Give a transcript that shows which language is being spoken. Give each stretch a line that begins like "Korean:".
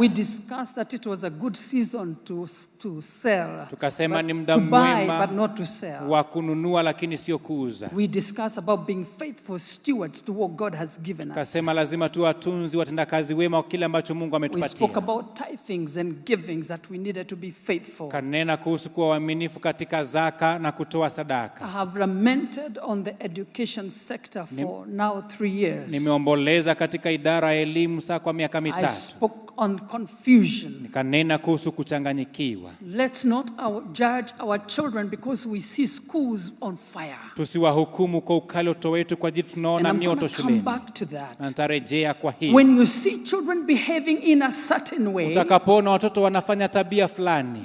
English: We discussed that it was a good season to sell.
Swahili: Tukasema ni muda mwema.
English: To buy but not to sell.
Swahili: Wa kununua lakini sio kuuza.
English: We discussed about being faithful stewards to what God has given us.
Swahili: Tukasema lazima tuwatunzi watenda kazi wema kile ambacho Mungu ametupatia.
English: We spoke about tithings and givings that we needed to be faithful.
Swahili: Kanena kuhusu waaminifu katika zaka na kutoa sadaka.
English: I have lamented on the education sector for now 3 years.
Swahili: Nimeomboleza katika idara ya elimu sasa kwa miaka mitatu.
English: I spoke on confusion.
Swahili: Nikanena kuhusu kuchanganyikiwa.
English: Let's not judge our children because we see schools on fire.
Swahili: Tusiwahukumu kwa ukaloto wetu kwa jinsi tunaona mioto shuleni.
English: Come back to that.
Swahili: Nitarejea kwa hili.
English: When you see children behaving in a certain way.
Swahili: Utakapoona watoto wanafanya tabia fulani.